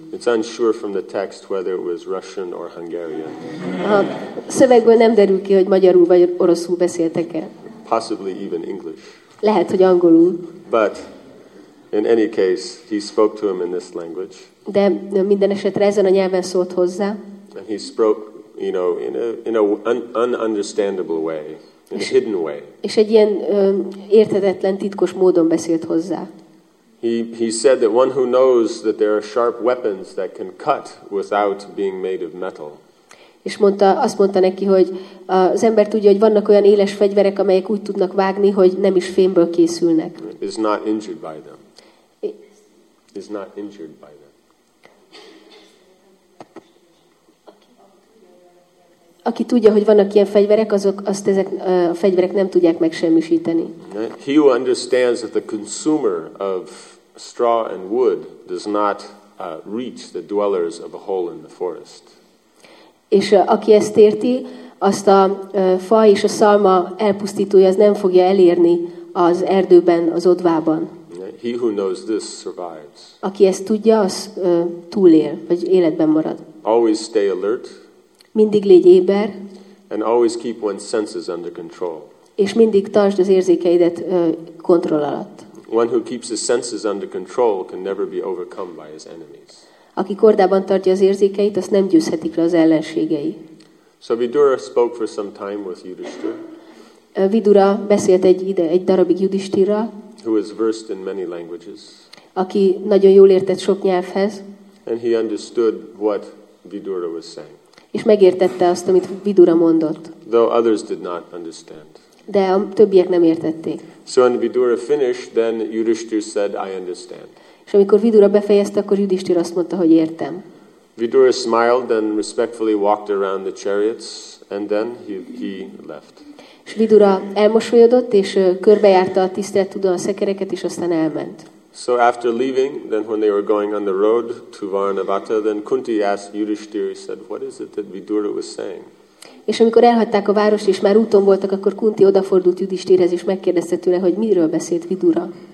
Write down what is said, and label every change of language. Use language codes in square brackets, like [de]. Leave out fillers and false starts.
[en] It's unsure from the text whether it was Russian or Hungarian. [hu] A szövegből nem derül ki, hogy magyarul vagy oroszul beszéltek-e. [en] Possibly even English. [hu] Lehet, hogy angolul. [en] But in any case, he spoke to him in this language. [hu] De minden esetre ezen a nyelven szólt hozzá. [en] And he spoke, in an ununderstandable way, in a hidden way. [hu] És egy ilyen érthetetlen, titkos módon beszélt hozzá. [en] He said that one who knows that there are sharp weapons that can cut without being made of metal. [hu] És azt mondta neki, hogy az ember tudja, hogy vannak olyan éles fegyverek, amelyek úgy tudnak vágni, hogy nem is fémből készülnek. [en] Is not injured by them. Is not injured by them. [hu] Aki tudja, hogy vannak ilyen fegyverek, azok a fegyverek nem tudják megsemmisíteni. [en] He who understands that the consumer of straw and wood does not reach the dwellers of a hole in the forest. [hu] És aki ezt érti, azt a fa és a szalma elpusztítója az nem fogja elérni az erdőben, az odvában. [en] He who knows this survives. [hu] Aki ezt tudja, az túlél, vagy életben marad. [en] Always stay alert. [hu] Mindig légy éber. [en] And always keep one's senses under control. [hu] És mindig tartsd az érzékeidet kontroll alatt. [en] One who keeps his senses under control can never be overcome by his enemies. [hu] Aki kordában tartja az érzékeit, azt nem győzhetik le az ellenségei. [en] So Vidura spoke for some time with Yudhishthir. [hu] Vidura beszélt egy darabig Yudhishthirra. [en] Who is versed in many languages. [hu] Aki nagyon jól értett sok nyelvhez. [en] And he understood what Vidura was saying. [hu] És megértette azt, amit Vidura mondott. [en] Though others did not understand. [hu] De a többiek nem értették. [en] So when Vidura finished, then Yudhishthir said, I understand. [hu] És amikor Vidura befejezte, akkor Yudhishthir azt mondta, hogy értem. [en] Vidura smiled and respectfully walked around the chariots, and then he left. [hu] És Vidura elmosolyodott, és körbejárta a tisztelettudóan szekereket, és aztán elment. [en] So after leaving, then when they were going on the road to Varanavata, then Kunti asked Yudhishthir, he said, what is it that Vidura was saying? [hu] És amikor elhagyták a várost, és már úton voltak, akkor Kunti odafordult Yudhishthirhez, és megkérdezte tőle, hogy miről beszélt Vidura.